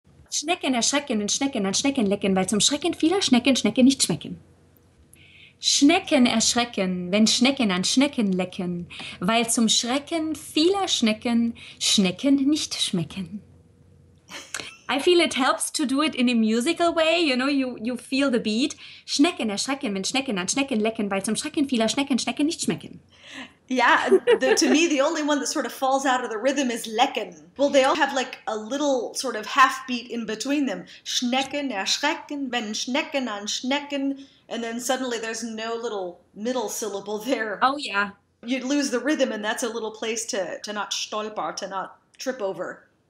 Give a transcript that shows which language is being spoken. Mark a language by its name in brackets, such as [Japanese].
[German] Schnecken erschrecken und Schnecken an Schnecken lecken, weil zum Schrecken vieler Schnecken Schnecke nicht schmecken. Schnecken erschrecken, wenn Schnecken an Schnecken lecken, weil zum Schrecken vieler Schnecken Schnecken nicht schmecken. [English] I feel it helps to do it in a musical way, you know, you feel the beat. [German] Schnecken erschrecken, wenn Schnecken an Schnecken lecken, weil zum Schrecken vieler Schnecken Schnecken nicht schmecken. [English] Yeah, to me the only one that sort of falls out of the rhythm is lecken. Well, they all have like a little sort of half beat in between them. [German] Schnecken erschrecken, wenn Schnecken an Schnecken, [English] and then suddenly there's no little middle syllable there. Oh yeah. You lose the rhythm, and that's a little place to not stolper, to not trip over.